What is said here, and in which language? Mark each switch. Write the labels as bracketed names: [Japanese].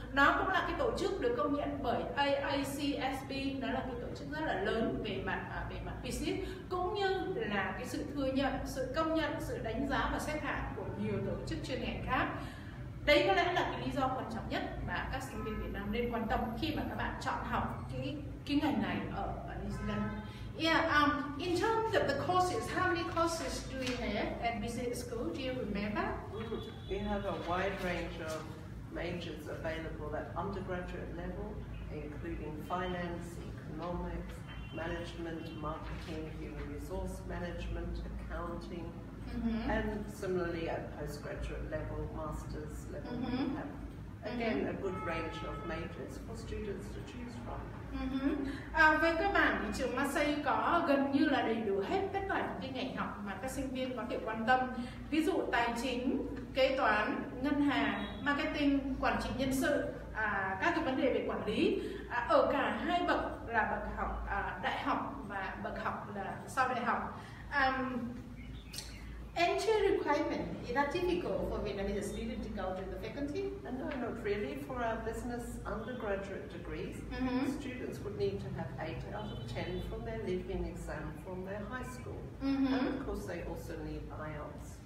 [Vietnamese] Nó cũng là cái tổ chức được công nhận bởi AACSB, nó là cái tổ chức rất là lớn về mặt business, cũng như là cái sự thừa nhận, sự công nhận, sự đánh giá và xếp hạng của nhiều tổ chức chuyên ngành khác. Đấy có lẽ là cái lý do quan trọng nhất mà các sinh viên Việt Nam nên quan tâm khi mà các bạn chọn học cái ngành này ở New Zealand. [English] Yeah, in terms of the courses, how many courses do you have at business school? Do you remember? We have a wide range of majors available at undergraduate level, including finance, economics, management, marketing, human resource management, accounting. Mm-hmm. And similarly at postgraduate level, master's level, mm-hmm. we have again mm-hmm. a good range of majors for students to choose from. Mm-hmm. [Vietnamese] Về cơ bản thì trường Massey có gần như là đầy đủ hết tất cả những cái ngành học mà các sinh viên có thể quan tâm. Ví dụ tài chính, kế toán, ngân hàng, marketing, quản trị nhân sự, các cái vấn đề về quản lý. Ở cả hai bậc là bậc học đại học và bậc học là sau đại học. [English] Entry requirement, is that typical for Vietnamese students to go to the faculty? No, not really. For our business undergraduate degrees, mm-hmm. students would need to have 8 out of 10 from their living exam from their high school. Mm-hmm. And of course they also need IELTS,